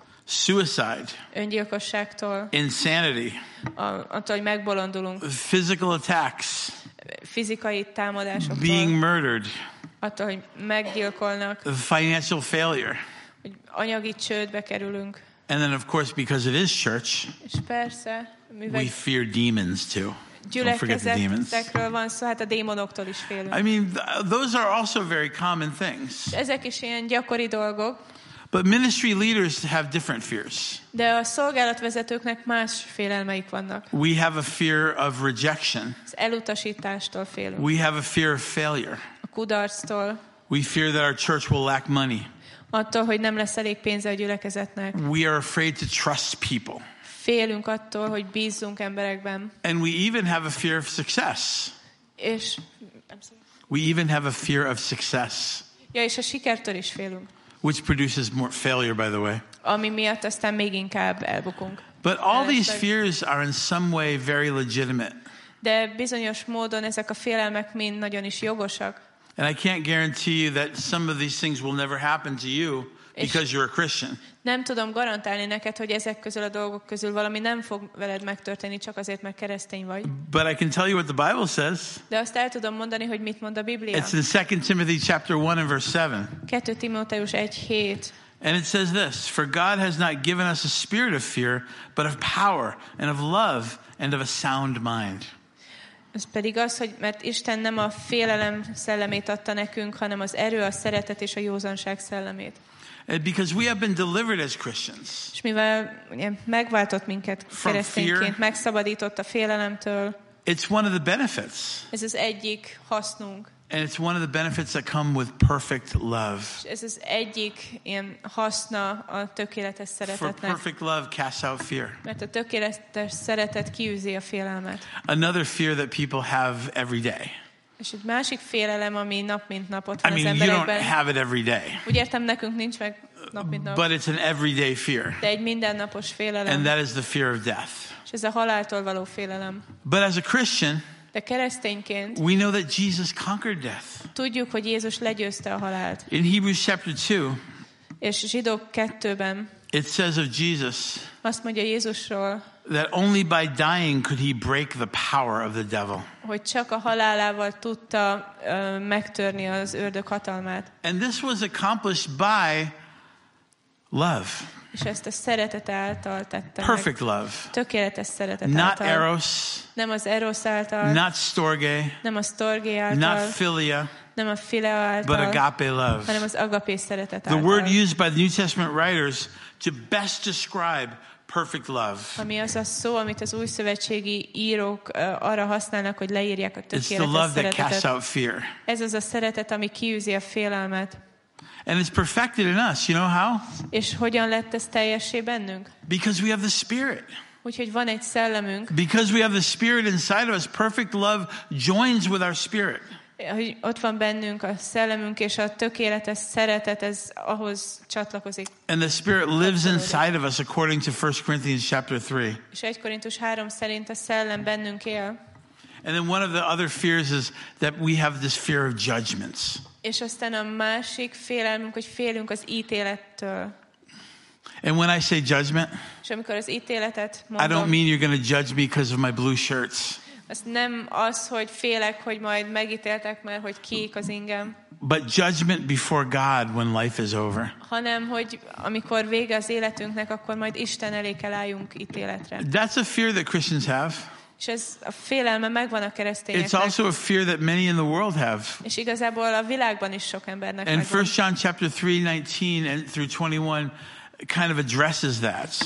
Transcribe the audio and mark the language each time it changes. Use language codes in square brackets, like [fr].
[en] Suicide. [hu] Öngyilkosságtól. [en] Insanity. [hu] Attól, hogy megbolondulunk. [en] Physical attacks. [hu] Fizikai támadásoktól. [en] Being murdered. [hu] Attól, hogy meggyilkolnak. [en] Financial failure. [hu] Hogy anyagi csődbe kerülünk. [en] And then, of course, because it is church, [hu] és persze, [en] we fear demons too. Don't forget the demons. [hu] Van szó, hát a démonoktól is félünk. [en] I mean, those are also very common things. [hu] Ezek is ilyen gyakori dolgok. [en] But ministry leaders have different fears. [hu] De a szolgálatvezetőknek más félelmeik vannak. [en] We have a fear of rejection. [hu] Az elutasítástól félünk. [en] We have a fear of failure. [hu] A kudarctól. [en] We fear that our church will lack money. [hu] Attól, hogy nem lesz elég pénze a gyülekezetnek. [en] We are afraid to trust people. [hu] Félünk attól, hogy bízzunk emberekben. [en] And we even have a fear of success. [hu] És [en] we even have a fear of success. [hu] Ja, és a sikertől is félünk. [en] Which produces more failure, by the way. [hu] Ami miatt aztán még inkább elbukunk. [en] But all these fears are in some way very legitimate. [hu] De bizonyos módon ezek a félelmek mind nagyon is jogosak. [en] And I can't guarantee you that some of these things will never happen to you because you're a Christian. [hu] Nem tudom garantálni neked, hogy ezek közül a dolgok közül valami nem fog veled megtörténni csak azért, mert keresztény vagy. [en] But I can tell you what the Bible says. [hu] De azt el tudom mondani, hogy mit mond a Biblia. [en] It's in 2 Timothy chapter 1 and verse 7. [hu] 2 Timóteus 1:7. [en] And it says this: For God has not given us a spirit of fear, but of power and of love and of a sound mind. [hu] Ez pedig az, hogy mert Isten nem a félelem szellemét adta nekünk, hanem az erő, a szeretet és a józanság szellemét. [en] Because we have been delivered as Christians. [hu] És mivel megváltott minket keresztényként, megszabadított a félelemtől. [en] It's one of the benefits. [hu] Ez az egyik hasznunk. [en] And it's one of the benefits that come with perfect love. [hu] Ez az egyik ilyen haszna a tökéletes szeretetnek. [en] For perfect love casts out fear. [hu] Mert a tökéletes szeretet kiűzi a félelmet. [en] Another fear that people have every day. [hu] És egy másik félelem, ami nap mint napot van az emberekben. [en] I mean, you don't have it every day. [hu] Úgy értem, nekünk nincs meg nap, mint nap. [en] But it's an everyday fear. [hu] De egy mindennapos félelem. [en] And that is the fear of death. [hu] És ez a haláltól való félelem. [en] But as a Christian, [hu] de kereszténként, [en] we know that Jesus conquered death. [hu] Tudjuk, hogy Jézus legyőzte a halált. [en] In Hebrews chapter 2, [hu] és Zsidók 2-ben, [en] it says of Jesus, [hu] azt mondja Jézusról, [en] that only by dying could he break the power of the devil. [hu] Hogy csak a halálával tudta megtörni az ördög hatalmát. [en] And this was accomplished by love. [hu] És ezt a szeretet által tette. [en] Perfect love. [hu] Tökéletes szeretet által. [en] Not eros. [hu] Nem az erosz által. [en] Not storge. [hu] Nem a storge által. [en] Not philia. [hu] Nem a philia által. [en] But agape love. [hu] Hanem az agape szeretet által. [en] The word used by the New Testament writers to best describe perfect love. [hu] Ami az a szó, amit az új szövetségi írók arra használnak, hogy leírják a tökéletes szeretetet. [en] It's the love that casts out fear. [hu] Ez az a szeretet, ami kiűzi a félelmet. [en] And it's perfected in us. You know how? [hu] És hogyan lett ez teljessé bennünk? [en] Because we have the Spirit. [hu] Úgyhogy van egy szellemünk. [en] Because we have the Spirit inside of us, perfect love joins with our spirit. [hu] Hogy ott van bennünk a szellemünk és a tökéletes szeretet, ez ahhoz csatlakozik. [en] And the Spirit lives inside of us, according to 1 Corinthians chapter 3. [hu] És 1 Korintus 3 szerint a szellem bennünk él. [en] And then one of the other fears is that we have this fear of judgments. [hu] És aztán a másik félelmünk, hogy félünk az ítélettől. [en] And when I say judgment, [hu] és amikor az ítéletet mondom, [en] I don't mean you're going to judge me because of my blue shirts. [hu] Ez nem az, hogy félek, hogy majd megítéltek, mert hogy kék az ingem. [en] But judgment before God when life is over. [hu] Hanem, hogy amikor vége az életünknek, akkor majd Isten elé kell álljunk ítéletre. [en] That's a fear that Christians have. [hu] És ez a félelme megvan a keresztényeknek. [en] It's also a fear that many in the world have. [hu] És igazából a világban is sok embernek megvan. [en] And 1 John chapter 3, 19 and through 21 kind of addresses that.